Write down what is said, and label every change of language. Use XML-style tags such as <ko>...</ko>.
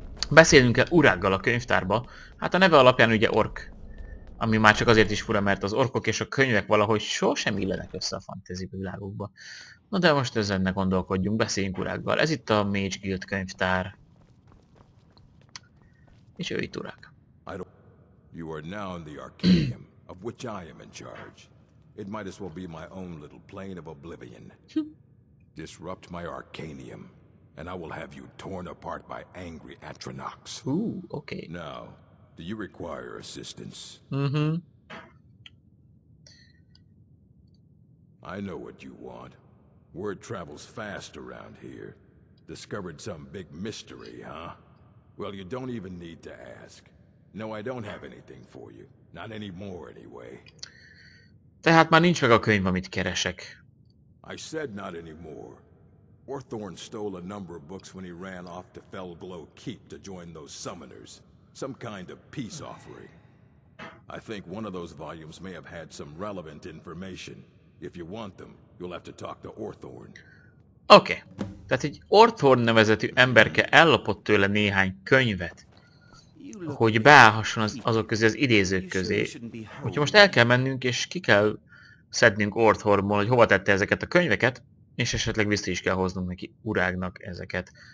<hu>Beszélünk el Urággal a könyvtárba. Hát a neve alapján ugye ork. Ami már csak azért is fura, mert az orkok és a könyvek valahogy sosem illenek össze a fantasy világokba. Na de most ezen ne gondolkodjunk, beszéljünk Urággal. Ez itt a Mage Guild könyvtár. És ő itt Urág.</hu> <en>You are now in the Arcanum, of which I am in charge. It might as well be my own little plane of oblivion. Disrupt my Arcanum, and I will have you torn apart by angry Atronox. Ooh, okay. Now, do you require assistance? Mm-hmm. I know what you want. Word travels fast around here. Discovered some big mystery, huh? Well, you don't even need to ask. No, I don't have anything for you. Not anymore, anyway.</en> <hu>Tehát már nincs meg a könyv, amit keresek.</hu> <en>I said not anymore. Orthorn stole a number of books when he ran off to Felglow Keep to join those summoners. Some kind of peace offering. I think one of those volumes may have had some relevant information. If you want them, you'll have to talk to Orthorn. Okay.</en> <hu>Tehát egy Orthorn nevezetű emberke ellopott tőle néhány könyvet. Hogy beállhasson azok közé, az idézők közé. Hogyha most el kell mennünk, és ki kell szednünk Orthornból, hogy hova tette ezeket a könyveket, és esetleg vissza is kell hoznunk neki Urágnak ezeket.</hu>